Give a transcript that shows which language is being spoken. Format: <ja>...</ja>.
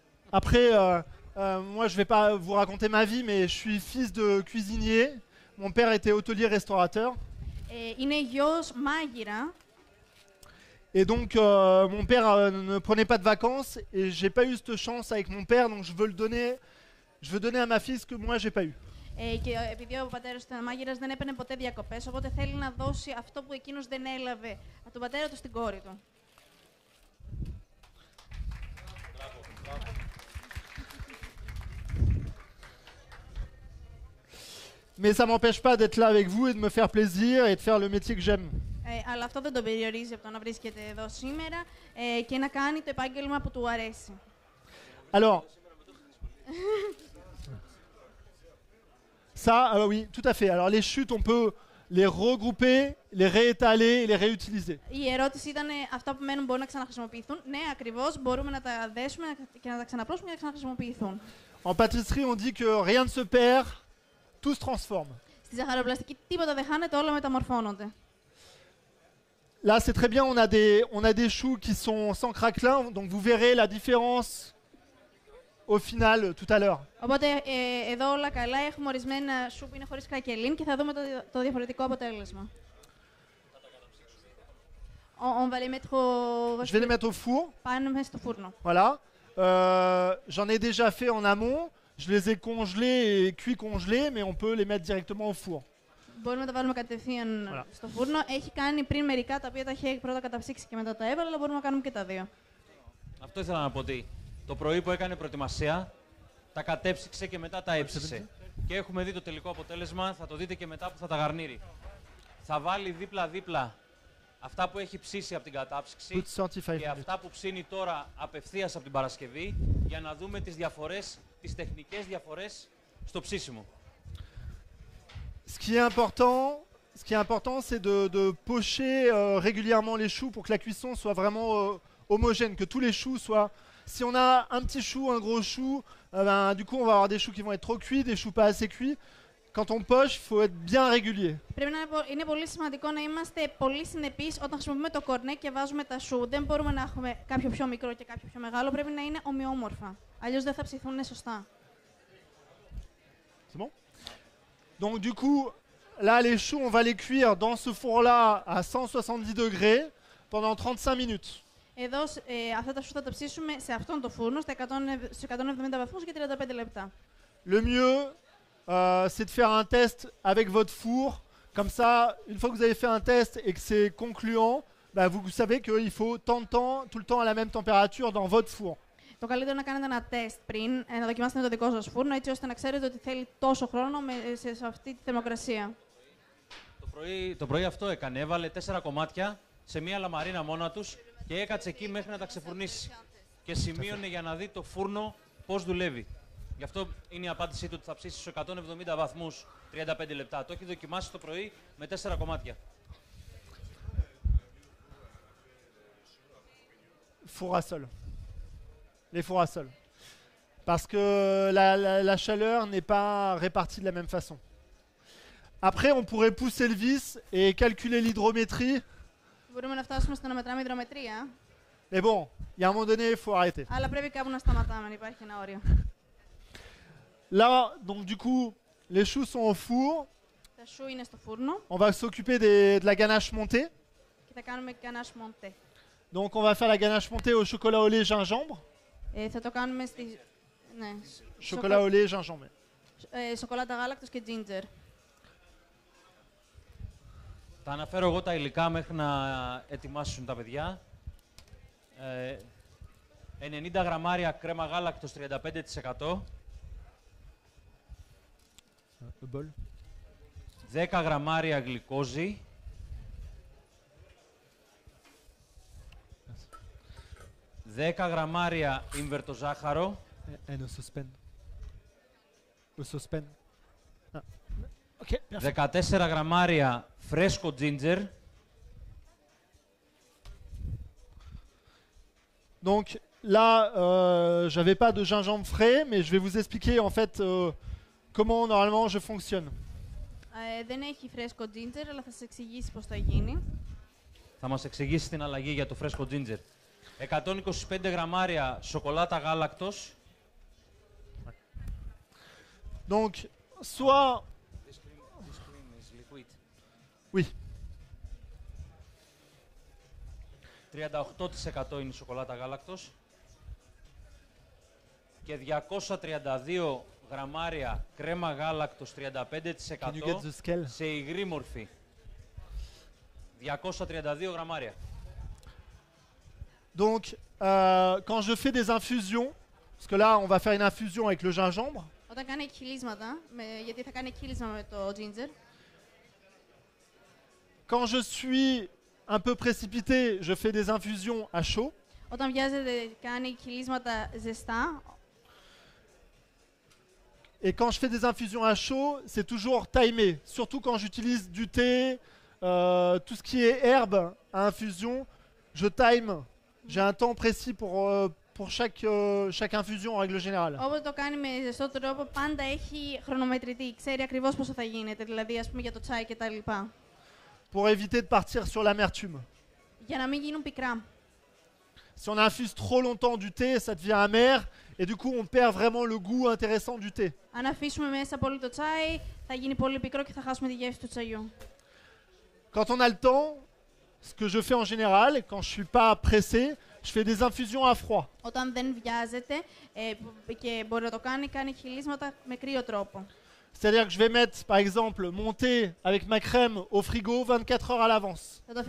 <fr>Après, moi, je vais pas vous raconter ma vie, mais je suis fils de cuisinier. Mon père était hôtelier restaurateur. Et donc, mon père ne prenait pas de vacances et j'ai pas eu cette chance avec mon père, donc je veux le donner. Je veux donner à ma fille ce que moi j'ai pas eu.</fr> <el>Και επειδή ο πατέρας του ήταν μάγειρας, δεν έπαιρνε ποτέ διακοπές, οπότε θέλει να δώσει αυτό που εκείνος δεν έλαβε από τον πατέρα του στην κόρη του.</el> <fr>Mais ça m'empêche pas d'être là avec vous et de me faire plaisir et de faire le métier que j'aime.</fr> <el>Αλλά αυτό δεν τον περιορίζει από το να βρίσκεται εδώ σήμερα και να κάνει το επάγγελμα που του αρέσει.</el> <fr>Alors. Ça, alors oui, tout à fait. Alors les chutes, on peut les regrouper, les réétaler, les réutiliser.</fr> <el>Η ερώτηση ήταν αυτά που μένουν μπορούν να ξαναχρησιμοποιηθούν. Ναι, ακριβώς, μπορούμε να τα δέσουμε και να τα ξαναπλώσουμε και να ξαναχρησιμοποιηθούν.</el> <fr>En pâtisserie, on dit que rien ne se perd, tout se transforme.</fr> <el>Στη ζαχαροπλαστική τίποτα δεν χάνεται, όλα μεταμορφώνονται.</el> <fr>Là, c'est très bien, on a des choux qui sont sans craquelin, donc vous verrez la différence. Au final, tout à l'heure.</fr> <el>Οπότε εδώ όλα καλά, έχουμε ορισμένα σου που είναι χωρίς κρακελίν και θα δούμε το διαφορετικό αποτέλεσμα.</el> <fr>On va les mettre au... Je vais les mettre au four.</fr> <el>Πάνω μέσα στο φούρνο.</el> <fr>Voilà. J'en ai déjà fait en amont. Je les ai congelés et cuits congelés, mais on peut les mettre directement au four.</fr> <el>Μπορούμε να τα βάλουμε κατευθείαν στο φούρνο. Έχει κάνει πριν μερικά τα οποία τα είχε πρώτα καταψύξει και μετά τα έβαλε, αλλά μπορούμε να κάνουμε και τα δύο. Αυτό ήθελα να πω ότι το πρωί που έκανε προετοιμασία, τα κατέψυξε και μετά τα έψησε. Και έχουμε δει το τελικό αποτέλεσμα, θα το δείτε και μετά που θα τα γαρνίρει. Θα βάλει δίπλα-δίπλα αυτά που έχει ψήσει από την κατάψυξη και αυτά που ψήνει τώρα απευθείας από την Παρασκευή, για να δούμε τις διαφορές, τις τεχνικές διαφορές στο ψήσιμο.</el> <fr>Ce qui est important, c'est de pocher régulièrement les choux pour que la cuisson soit vraiment homogène, que tous les choux soient. Si on a un petit chou, un gros chou, ben, du coup on va avoir des choux qui vont être trop cuits, des choux pas assez cuits. Quand on poche, il faut être bien régulier.</fr> <el>Είναι πολύ σημαντικό να είμαστε πολύ συνεπείς όταν χρησιμοποιούμε το κορνέ και βάζουμε τα σου. Δεν μπορούμε να έχουμε κάποιο πιο μικρό και κάποιο πιο μεγάλο. Πρέπει να είναι ομοιόμορφα. Αλλιώς δεν θα ψηθούν σωστά.</el> <fr>C'est bon? Donc du coup, là les choux, on va les cuire dans ce four-là à 170 degrés pendant 35 minutes.</fr> <el>Εδώ αυτά τα σου θα τα ψήσουμε σε αυτόν τον φούρνο στα 170 βαθμούς για 35 λεπτά.</el> <fr>Le mieux c'est de faire un test avec votre four. Comme ça, une fois que vous avez fait un test et que c'est concluant, bah, vous savez qu'il faut tant de temps, tout le temps à la même température dans votre four.</fr> <el>Το καλύτερο να κάνετε ένα τεστ πριν, να δοκιμάσετε το δικό σας φούρνο, έτσι ώστε να ξέρετε ότι θέλει τόσο χρόνο σε αυτή τη θερμοκρασία. Το πρωί αυτό έκανε. Έβαλε 4 κομμάτια σε μία λαμαρίνα μόνα τους. Και έκατσε εκεί μέχρι να τα ξεφουρνίσει. Και σημείωνε για να δει το φούρνο πώς δουλεύει. Γι' αυτό είναι η απάντησή του ότι θα ψήσει σε 170 βαθμούς 35 λεπτά. Το έχει δοκιμάσει το πρωί με 4 κομμάτια. Φουρασόλ.</el> <fr>Les φουρασόλ. Parce que la chaleur n'est pas répartie de la même façon. Après, on pourrait pousser le vis et calculer l'hydrométrie.</fr> <el>Μπορούμε να φτάσουμε στο να μετράμε υδρομετρία.</el> <fr>Mais bon, il y a un moment donné, il faut arrêter.</fr> <el>Αλλά πρέπει κάπου να σταματάμε, αν υπάρχει ένα όριο.</el> <fr>Là, donc du coup, les choux sont au four.</fr> <el>Τα choux είναι στο φούρνο.</el> <fr>On va s'occuper de la ganache montée.</fr> <el>Και θα κάνουμε ganache montée.</el> <fr>Donc on va faire la ganache montée au chocolat au lait gingembre. Et</fr> <el>θα το κάνουμε στη...</el> <fr>Chocolat au lait gingembre.</fr> <el>Σοκολάτα γάλακτος και ginger. Θα αναφέρω εγώ τα υλικά μέχρι να ετοιμάσουν τα παιδιά. 90 γραμμάρια κρέμα γάλακτος 35%.</el> <fr>Bol.</fr> <el>10 γραμμάρια γλυκόζη.</el> <en>Yes.</en> <el>10 γραμμάρια ίμβερτο ζάχαρο. Ένα σοσπέν. Ο σοσπέν. 14 γραμμάρια φρέσκο τζίντζερ.</el> <fr>Donc là, j'avais pas de gingembre frais, mais je vais vous expliquer en fait comment normalement je fonctionne.</fr> <el>Δεν έχει φρέσκο τζίντζερ, αλλά θα σας εξηγήσει πώς θα γίνει. Θα μας εξηγήσει την αλλαγή για το φρέσκο τζίντζερ. 125 γραμμάρια σοκολάτα γάλακτος.</el> <fr>Donc, soit...</fr> <en>This cream is liquid.</en> <fr>Oui.</fr> <el>38% είναι σοκολάτα γάλακτος και 232 γραμμάρια κρέμα γάλακτος 35% σε υγρή μορφή. 232 γραμμάρια.</el> <fr>Donc, quand je fais des infusions, parce que là, on va faire une infusion avec le gingembre.</fr> <el>Όταν κάνει κυλίσματα, γιατί θα κάνει κυλίσμα με το ginger.</el> <fr>Quand je suis un peu précipité, je fais des infusions à chaud.</fr> <el>Όταν βιάζεται, κάνει κυλίσματα ζεστά.</el> <fr>Et quand je fais des infusions à chaud, c'est toujours timé. Surtout quand j'utilise du thé, tout ce qui est herbe à infusion, je time. J'ai un temps précis pour chaque infusion en règle générale.</fr> <el>Όπως το κάνει με ζεστό τρόπο, πάντα έχει χρονομετρητή. Ξέρει ακριβώς πόσο θα γίνεται, δηλαδή ας πούμε για το τσάι και τα λοιπά.</el> <fr>Pour éviter de partir sur l'amertume.</fr> <el>Για να μην γίνουν πικρά.</el> <fr>Si on infuse trop longtemps du thé, ça devient amer et du coup on perd vraiment le goût intéressant du thé.</fr> <el>Αν αφήσουμε μέσα πολύ το τσάι, θα γίνει πολύ πικρό και θα χάσουμε τη γεύση του τσαγιού.</el> <fr>Quand on a le temps, ce que je fais en général, quand je suis pas pressé, je fais des infusions à froid.</fr> <el>Όταν δεν βιάζεται και μπορεί να το κάνει, κάνει χυλίσματα με κρύο τρόπο.</el> <fr>C'est-à-dire que je vais mettre, par exemple, mon thé avec ma crème au frigo 24 heures à l'avance.</fr>